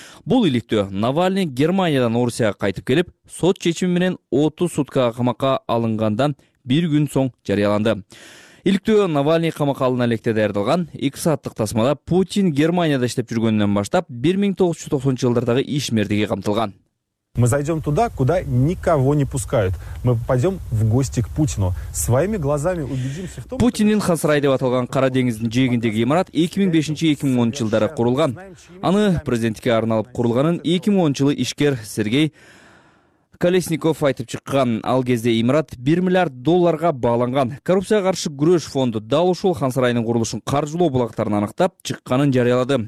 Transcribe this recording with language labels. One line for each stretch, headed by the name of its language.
Kyrgyz: Бул иликтөө Навалий Германиядан Орусияга кайтып келип, сот чечими менен 30 суткага камакка алынгандан бир күн соң жарыяланды. Иликтөө Навалий камакка алына электе даярдалган. 2 сааттык тасмада Путин Германияда иштеп жүргөнүнөн баштап 1990-жылдардагы иш мердиги камтылган.
Russian: Мы зайдем туда, куда никого не пускают. Мы пойдем в гости к Путину. Своими глазами убедимся в том...
Kyrgyz: Путиндин хан сарайы деп аталган Кара деңиздин жээгиндеги имарат 2005-2010 жылдары курулган. Аны президентке арналып курулганын 2010 жылы ишкер Сергей Колесников айтып чыккан. Ал кезде имарат 1 миллиард долларга бааланган. Коррупцияга каршы күрөш фонду дал ушул хан сарайынын курулушун каржылоо булактарын аныктап чыкканын жарыялады.